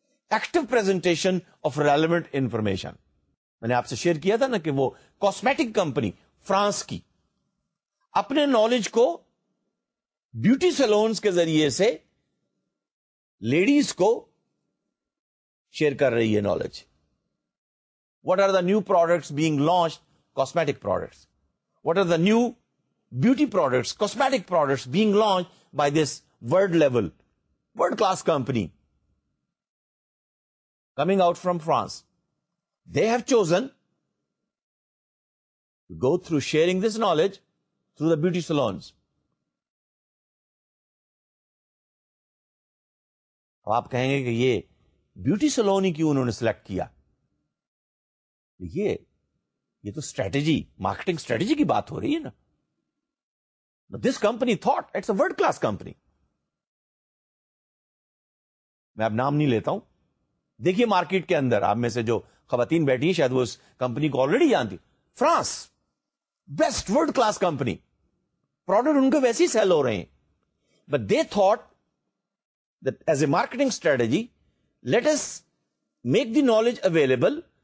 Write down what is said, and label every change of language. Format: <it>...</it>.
<en>active presentation of relevant information,</en> <ur>میں نے آپ سے شیئر کیا تھا نا کہ وہ کاسمیٹک کمپنی فرانس کی اپنے نالج کو بیوٹی سیلونز کے ذریعے سے لیڈیز کو شیئر کر رہی ہے knowledge.</ur> <en>What are the new products being launched? Cosmetic products. What are the new beauty products, cosmetic products being launched by this world level, world class company coming out from France? They have chosen to go through sharing this knowledge through the beauty salons.</en> <ur>اب آپ کہیں گے کہ یہ beauty سلون ہی کیوں انہوں نے select کیا؟ یہ تو اسٹریٹجی, مارکیٹنگ اسٹریٹجی کی بات ہو رہی ہے نا.</ur> <en>But this company thought it's a world-class company.</en> <ur>میں اب نام نہیں لیتا ہوں. دیکھیے مارکیٹ کے اندر آپ میں سے جو خواتین بیٹھی ہیں شاید وہ اس کمپنی کو آلریڈی جانتی. France best world class company, product ان کے ویسے ہی سیل ہو رہے ہیں.</ur> <en>But they thought that is a marketing strategy let us make the knowledge available.</en>